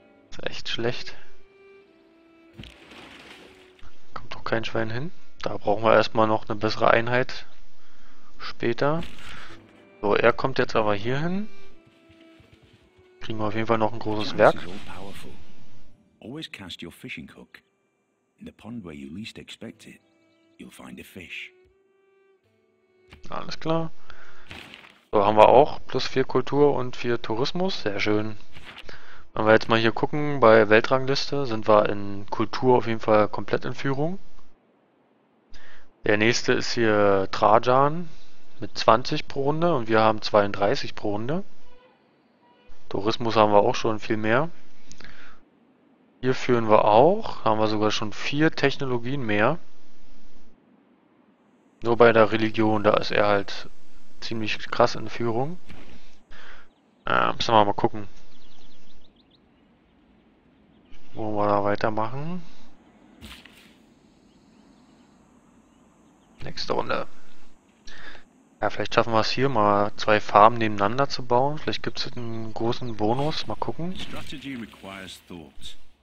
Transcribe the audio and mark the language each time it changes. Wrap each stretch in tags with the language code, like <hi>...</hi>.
<de>Ist echt schlecht. Kommt doch kein Schwein hin. Da brauchen wir erstmal noch eine bessere Einheit. Später. So, er kommt jetzt aber hier hin. Kriegen wir auf jeden Fall noch ein großes Werk.</de> <en>Always cast your fishing hook. In the pond where you least expect it, you'll find a fish.</en> <de>Alles klar. So, haben wir auch plus 4 Kultur und 4 Tourismus. Sehr schön. Wenn wir jetzt mal hier gucken, bei Weltrangliste sind wir in Kultur auf jeden Fall komplett in Führung. Der nächste ist hier Trajan mit 20 pro Runde und wir haben 32 pro Runde. Tourismus haben wir auch schon viel mehr. Hier führen wir auch, haben wir sogar schon 4 Technologien mehr. Nur bei der Religion, da ist er halt ziemlich krass in Führung. Müssen wir mal gucken. Wollen wir da weitermachen? Nächste Runde. Ja, vielleicht schaffen wir es hier mal 2 Farben nebeneinander zu bauen. Vielleicht gibt es einen großen Bonus. Mal gucken.</de> <en>Strategy requires thought.</en>